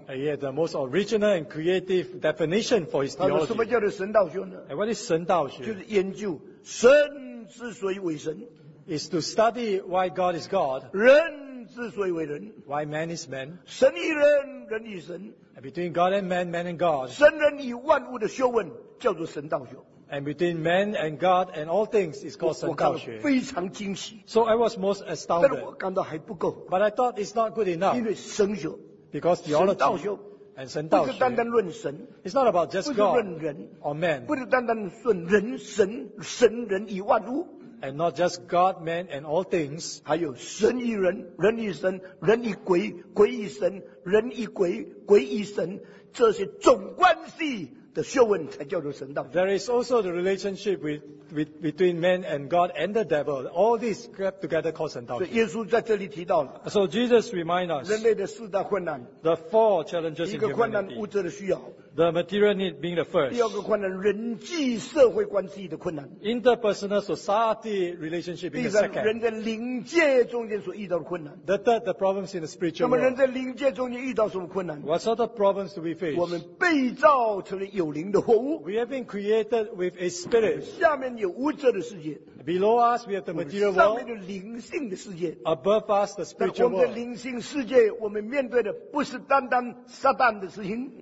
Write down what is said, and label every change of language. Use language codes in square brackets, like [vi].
[en] He had the most original and creative definition for his theology. [zh] 什么叫做神道学呢？ [en] And what is 神道学？ [zh] 就是研究神之所以为神。 [en] Is to study why God is God. [zh] 人之所以为人。 [en] Why man is man. [zh] 神以人, 人以神。 [en] Between God and man, man and God. [zh] 神人与万物的学问, 叫做神道学。 [en] And between man and God and all things is called 神道学。 [zh] 我看了非常惊喜。 [en] So I was most astounded. [zh] 但我感到还不够。 [en] But I thought it's not good enough. [zh] 因为神学, [en] because theology [zh] 神道学, [en] and 神道学, [zh] 不是单单论神, [en] it's not about just [zh] 不是论人, [en] God or man. [zh] 不是单单论人神, 神人与万物, [en] and not just God, man, and all things. [zh] 还有神与人, 人与神, 人与鬼, 鬼与神, 人与鬼, 鬼与神, 这些总关系的学问才叫做神道。 [en] There is also the relationship between man and God and the devil. All these grouped together call 神道。 [zh] 所以耶稣在这里提到了。 [en] So Jesus reminds us. [zh] 人类的四大困难。 [en] The four challenges in humanity. [zh] 一个困难，物质的需要。 [en] The material need being the first. [zh] 第二个困难，人际社会关系的困难。 [en] Interpersonal society relationship being the second. [zh] 第三，人在灵界中间所遇到的困难。 [en] The third, the problems in the spiritual world. [zh] 那么人在灵界中间遇到什么困难 [en] ？What sort of problems do we face? [zh] 我们被造成了有灵的活物。 [en] We have been created with a spirit. [zh] 下面有物质的世界。 [en] Below us, we have the material world. [zh] 上面的灵性的世界。 [en] Above us, the spiritual world. [zh] 我们的灵性世界，我们面对的不是单单撒旦的事情。